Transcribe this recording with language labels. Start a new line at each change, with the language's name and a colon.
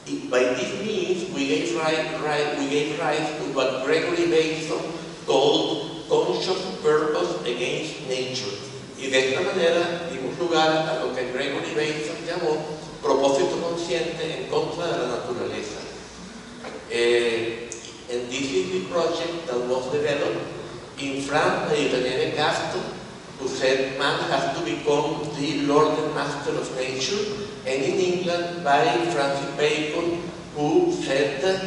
English: By this means, we gave rise to what Gregory Bateson called conscious purpose against nature.
Spanish: Y de esta manera dimos lugar a lo que Gregory Bateson llamó propósito consciente en contra de la naturaleza.
English: And this is the project that was developed in France by Irene Castro, who said man has to become the Lord and Master of Nature, and in England by Francis Bacon, who said,